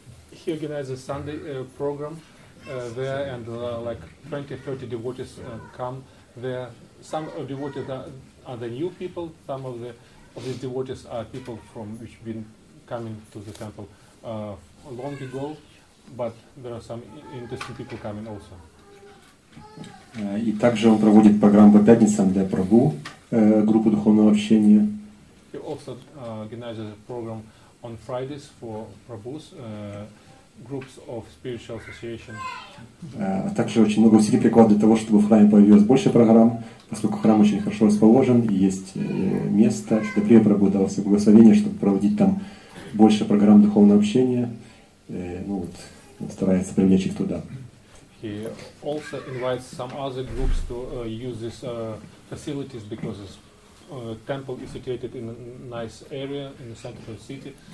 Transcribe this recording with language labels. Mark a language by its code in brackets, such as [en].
[en] He organizes Sunday program there, and like 20-30 devotees come there. Some devotees are the new people, some of these devotees are people from which been coming to the temple long ago, but there are some interesting people coming also. [ru] И также он проводит программу по пятницам для Прабу, группу духовного общения. [en] He also organizes a program on Fridays for Prabhu's groups of spiritual association. [ru] А также очень много усилий прикладывает для того, чтобы в храме появилось больше программ, поскольку храм очень хорошо расположен, и есть место, чтобы Прия Прабу дал все благословение, чтобы проводить там больше программ духовного общения. Ну вот, он старается привлечь их туда. [en] He also invites some other groups to use these facilities because this temple is situated in a nice area in the center of the city.